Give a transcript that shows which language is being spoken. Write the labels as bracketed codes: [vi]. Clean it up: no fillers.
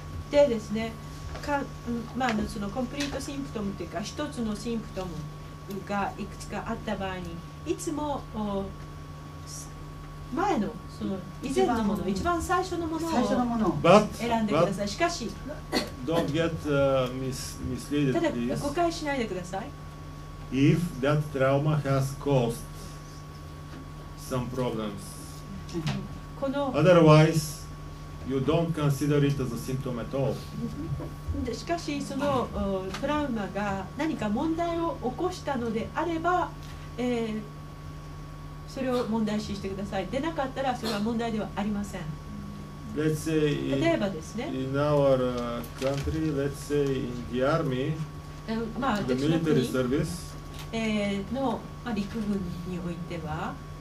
[ja] でですね、か、まあ、そのコンプリートシンプトムというか、一つのシンプトムがいくつかあった場合に、いつも前の、その以前のもの、一番最初のものを選んでください。 [en] But, [ja] しかし、 [en] don't get misled, please. [ja] ただ、誤解しないでください。 [en] If that trauma has caused some problems, otherwise you don't consider it as a symptom at all. [ja] しかしそのトラウマが何か問題を起こしたのであれば、それを問題視してください。出なかったらそれは問題ではありません。 [en] Let's say [ja] 例えばですね。 [en] In our country, let's say in the army, the military service. [ja] の、まあ、陸軍においては、